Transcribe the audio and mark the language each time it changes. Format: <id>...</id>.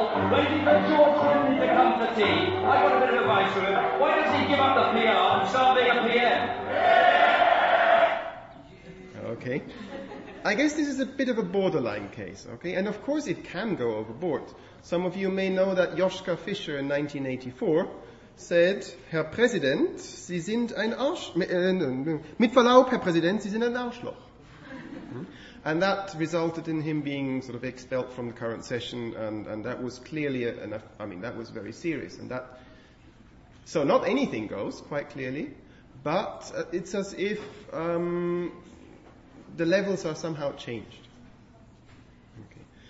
<en>Waiting for George Clinton to come for tea. I've got a bit of advice for him. Why does he give up the PR and start being a PM? Yeah. Okay. I guess this is a bit of a borderline case, okay? And of course it can go overboard. Some of you may know that Joschka Fischer in 1984 said,</en> <de>Herr Präsident, Sie sind ein Arschloch. Mit Verlaub, Herr Präsident, Sie sind ein Arschloch.</de> <en>And that resulted in him being sort of expelled from the current session, and that was clearly that was very serious. And that, so not anything goes, quite clearly, but it's as if the levels are somehow changed. Okay.</en>